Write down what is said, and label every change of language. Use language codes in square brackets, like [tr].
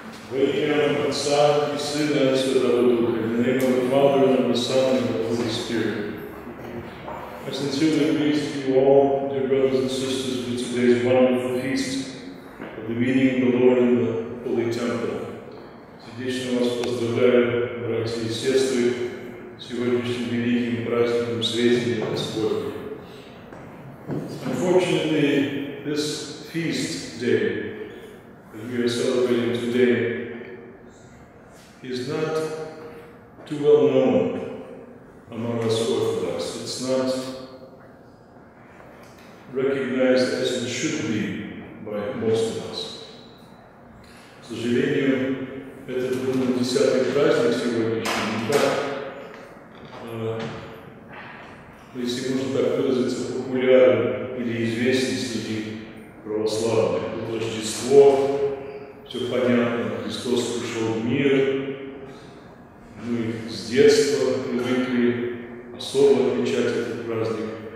[en] With him, and Son, he stood as the Lord, in the name of the Father, and of the Son, and of the Holy Spirit. I sincerely greet you all, dear brothers and sisters, for today's wonderful feast of the meeting of the Lord in the Holy Temple. [ru] Сердечно вас поздравляю, братья и сестры, сегодняшним великим праздником Светия Господня. [en] Unfortunately, this feast day that we are celebrating today is not too well known among us Orthodox. It's not recognized as it should be by most of us. [ru] К сожалению, это был на 10-й праздник сегодняшний, не так, если можно так выразиться, популярен или известен среди православных. Это Рождество, все понятно, Христос пришел в мир, мы с детства привыкли особо отмечать этот праздник.